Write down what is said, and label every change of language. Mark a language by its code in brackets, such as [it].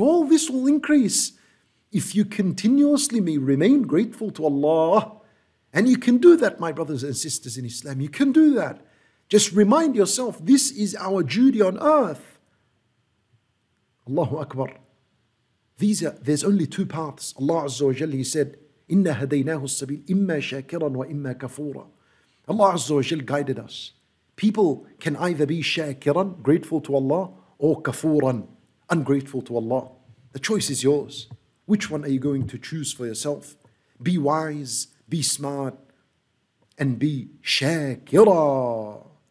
[en] All this will increase if you continuously may remain grateful to Allah. And you can do that, my brothers and sisters in Islam. You can do that. Just remind yourself, this is our duty on earth. Allahu Akbar. There's only two paths. Allah Azza wa Jalla, he said, [ar] إِنَّ هَدَيْنَاهُ السَّبِيلِ إِمَّا شَاكِرًا وَإِمَّا كَفُورًا. [en] Allah Azza wa Jalla guided us. People can either be shakiran, grateful to Allah, or kafuran, ungrateful to Allah. The choice is yours. Which one are you going to choose for yourself? Be wise, be smart, and be shakiran.